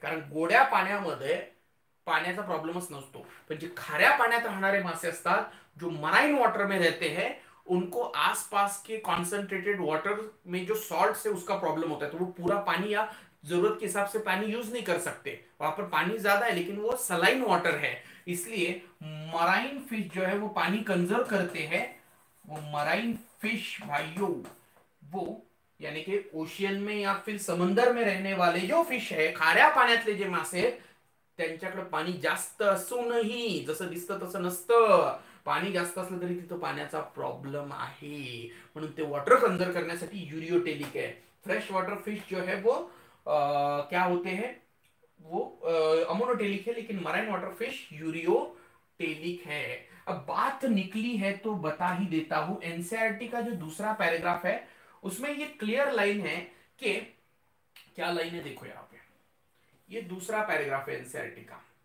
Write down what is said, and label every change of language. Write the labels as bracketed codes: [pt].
[mr] कारण गोड्या पाण्यामध्ये पाण्याचा प्रॉब्लेमच नसतो, पण जे खाऱ्या पाण्यात राहणारे मासे असतात, [hi] जो मराइन वॉटर में रहते हैं, उनको आसपास के कॉन्सेंट्रेटेड वॉटर में जो सॉल्ट से उसका प्रॉब्लम होता है। तो वो पूरा पानी या जरूरत के हिसाब से पानी यूज नहीं कर सकते, वहां पर पानी ज्यादा है, लेकिन वो सलाइन वाटर है, इसलिए मराइन फिश जो है वो पानी कंजर्व करते हैं। वो मराइन फिश भाइयों, वो यानी कि ओशियन में या फिर समंदर में रहने वाले जो फिश है, [mr] खाऱ्या पाण्यातले जे मासे, त्यांच्याकडे पाणी जास्त असूनही, जसं दिसतं तसं नसतं, पाणी जास्त असलं तरी तिथं पाण्याचा प्रॉब्लेम आहे, म्हणून ते वॉटर कंजर्व करण्यासाठी युरियोटेलिक है। [hi] फ्रेश वॉटर फिश जो है वो क्या होते हैं, वो अमोनोटेलिक है, लेकिन मराइन वाटर फिश यूरियोटेलिक है। अब बात निकली है तो बता ही देता हूं, एनसीईआरटी का जो दूसरा पैराग्राफ है उसमें ये क्लियर लाइन है कि क्या लाइन है, देखो यहां पे, ये दूसरा पैराग्राफ है एनसीईआरटी का।